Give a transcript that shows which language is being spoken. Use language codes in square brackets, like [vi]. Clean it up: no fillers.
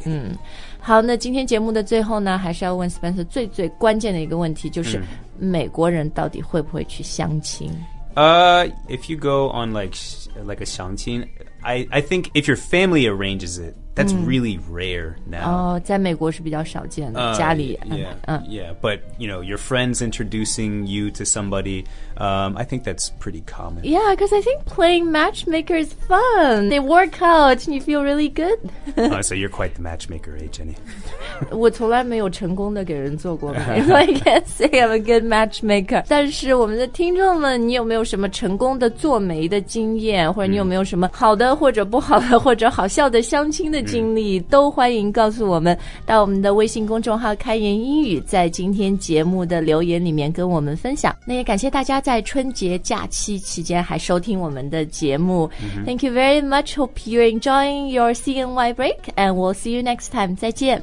[zh] 嗯好那今天节目的最后呢还是要问 Spencer 最最关键的一个问题就是美国人到底会不会去相亲、 [en] If you go on like a 相亲 I think if your family arranges it That's、really rare now、 [zh] 在美国是比较少见的家里 [en] But you know your friends introducing you to somebody、I think that's pretty common Yeah because I think playing matchmaker is fun They work out and you feel really good 、So you're quite the matchmaker eh Jenny [zh] 我从来没有成功的给人做过 [en] So I can't say I'm a good matchmaker [zh] 但是我们的听众们你有没有什么成功的做媒的经验或者你有没有什么好的或者不好的或者好笑的相亲的经历都欢迎告诉我们到我们的微信公众号开言英语在今天节目的留言里面跟我们分享那也感谢大家在春节假期期间还收听我们的节目、 mm-hmm. [en] Thank you very much Hope you're enjoying your CNY break And we'll see you next time [zh] 再见